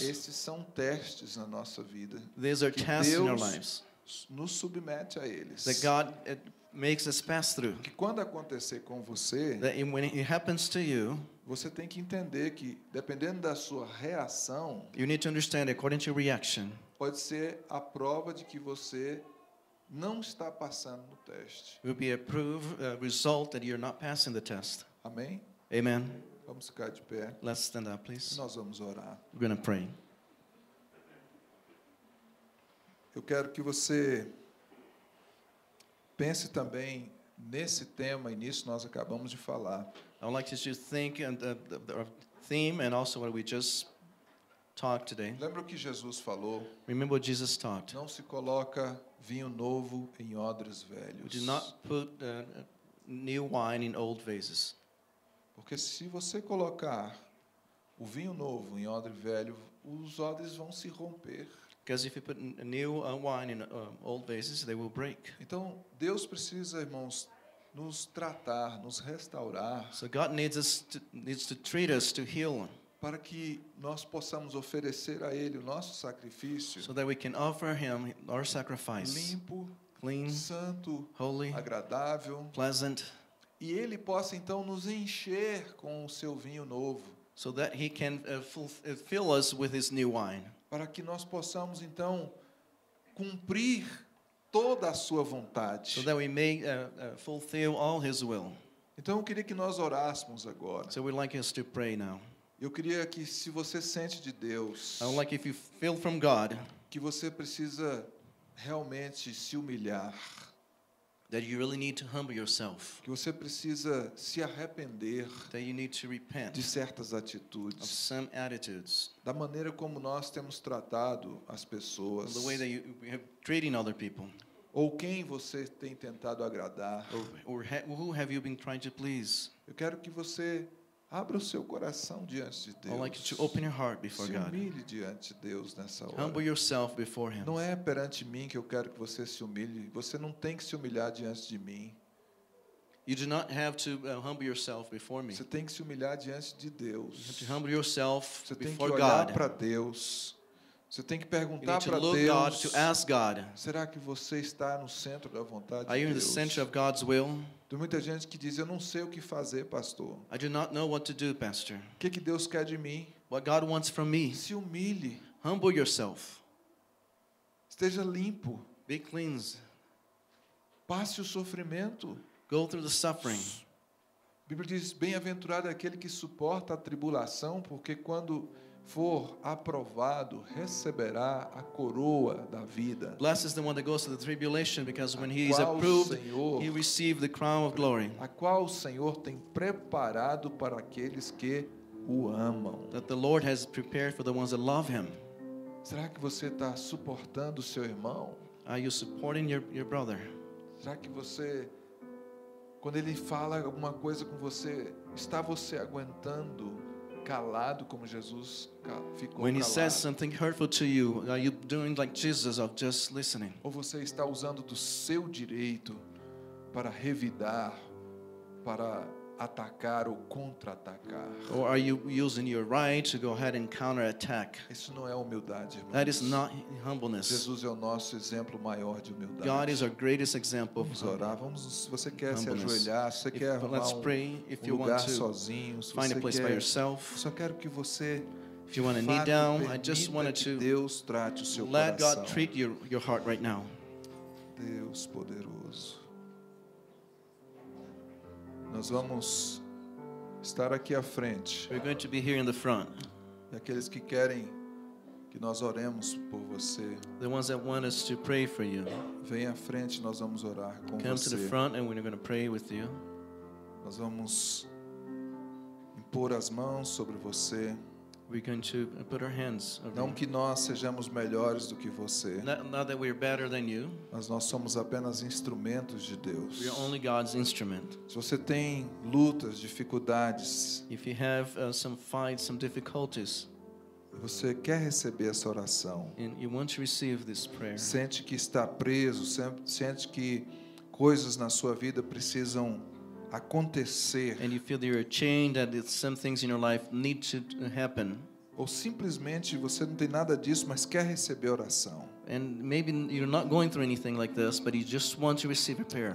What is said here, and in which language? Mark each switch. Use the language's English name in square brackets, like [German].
[Portuguese] Esses são testes na nossa vida. [English] These are tests in our lives. [Portuguese] Nos submete a eles. [English] That God makes us pass through. [Portuguese] Que quando acontecer com você. [English] That when it happens to you. [Portuguese] Você tem que entender que, dependendo da sua reação, [English] you need to understand, according to your reaction, [Portuguese] pode ser a prova de que você não está passando no teste. [English] Will be a proof, a result that you're not passing the test. [Portuguese] Amém? [English] Amen. [Portuguese] Vamos ficar de pé. [English] Let's stand up, please. [Portuguese] Nós vamos orar. [English] We're going to pray. [Portuguese] Eu quero que você pense também nesse tema e nisso nós acabamos de falar. [English] I would like to just think and the theme and also what we just talked today. [Portuguese] Lembra o que Jesus falou? [English] Remember what Jesus talked. [Portuguese] Não se coloca vinho novo em odres velhos. [English] Do not put new wine in old vases. [Portuguese] Porque se você colocar o vinho novo em odre velho, os odres vão se romper. [English] Because if you put new wine in old vases, they will break. [Portuguese] Então Deus precisa, irmãos, nos tratar, nos restaurar. [English] So God needs to treat us to heal him. [Portuguese] Para que nós possamos oferecer a ele o nosso sacrifício. [English] So that we can offer him our sacrifice. [Portuguese] Limpo, [English] clean, [Portuguese] santo, [English] holy, [Portuguese] agradável, [English] pleasant. [Portuguese] E ele possa então nos encher com o seu vinho novo. [English] So that he can fill us with his new wine. [Portuguese] Para que nós possamos então cumprir toda a sua vontade. [English] So that we may fulfill all his will. [Portuguese] Então eu queria que nós orássemos agora. [English] So we'd like us to pray now. [Portuguese] Eu queria que, se você sente de Deus, [English] I would like if you feel from God, [Portuguese] que você precisa realmente se humilhar. [English] That you really need to humble yourself. [Portuguese] Que você precisa se arrepender. [English] That you need to repent. [Portuguese] De certas atitudes. [English] Of some attitudes. [Portuguese] Da maneira como nós temos tratado as pessoas. [English] The way that you have treated other people. [Portuguese] Ou quem você tem tentado agradar. [English] Or who have you been trying to please? [Portuguese] Eu quero que você abra o seu coração diante de Deus. [English] I'd like you to open your heart before God. [Portuguese] Se humilhe diante de Deus nessa hora. [English] Humble yourself before him. [Portuguese] Não é perante mim que eu quero que você se humilhe. Você não tem que se humilhar diante de mim. [English] You do not have to humble yourself before me. [Portuguese] Você tem que se humilhar diante de Deus. [English] You have to humble yourself before God. [Portuguese] Você tem que olhar para Deus. Você tem que perguntar para Deus. [English] You need to look God, to ask God. [Portuguese] Será que você está no centro da vontade de [English] Deus? Are you in the center of God's will? [Portuguese] Tem muita gente que diz, eu não sei o que fazer, pastor. [English] I do not know what to do, pastor. [Portuguese] O que Deus quer de mim? [English] What God wants from me. [Portuguese] Se humilhe. [English] Humble yourself. [Portuguese] Esteja limpo. [English] Be cleansed. [Portuguese] Passe o sofrimento. [English] Go through the suffering. [Portuguese] A Bíblia diz, bem-aventurado é aquele que suporta a tribulação, porque quando for aprovado, receberá a coroa da vida. [English] Blessed is the one that goes through the tribulation, because when he is approved, [Portuguese] Senhor, [English] he receives the crown of glory. [Portuguese] A qual o Senhor tem preparado para aqueles que o amam. [English] That the Lord has prepared for the ones that love him. [Portuguese] Será que você está suportando o seu irmão? [English] Are you supporting your brother? [Portuguese] Será que você, quando ele fala alguma coisa com você, está você aguentando calado como Jesus ficou [English] when When he says something hurtful to you, are you doing like Jesus of just listening? [Portuguese] Ou você está usando do seu direito para revidar, para atacar ou contra-atacar? [English] Or are you using your right to go ahead and counter-attack? [Portuguese] Isso não é humildade, irmãos. [English] That is not humbleness. [Portuguese] Jesus é o nosso exemplo maior de humildade. [English] God is our greatest example. [Portuguese] Vamos orar. Vamos, se você quer se ajoelhar, se você quer arrumar um lugar sozinho, se [English] find [Portuguese] você [English] a place [Portuguese] quer, [English] by yourself, [Portuguese] só quero que você, [English] if you want to kneel down, I just wanted to [Portuguese] Deus trate o seu [English] let [Portuguese] coração. [English] God treat your heart right now. [Portuguese] Deus poderoso. Nós vamos estar aqui à frente. [English] We're going to be here in the front. [Portuguese] E aqueles que querem que nós oremos por você, [English] the ones that want us to pray for you, [Portuguese] vem à frente, nós vamos orar com [English] come [Portuguese] você. [English] To the front and we're going to pray with you. [Portuguese] Nós vamos impor as mãos sobre você. [English] We're going to put our hands over [Portuguese] não que nós sejamos melhores do que você. [English] Not that we're better than you. [Portuguese] Mas nós somos apenas instrumentos de Deus. [English] We are only God's instrument. [Portuguese] Se você tem lutas, dificuldades, [English] if you have some fights, some difficulties, [Portuguese] você quer receber essa oração. [English] And you want to receive this prayer. [Portuguese] Sente que está preso, sente que coisas na sua vida precisam acontecer. [English] And you feel that you're chained, that some things in your life need to happen. [Portuguese] Ou simplesmente você não tem nada disso, mas quer receber oração. [English] And maybe you're not going through anything like this, but you just want to receive a prayer.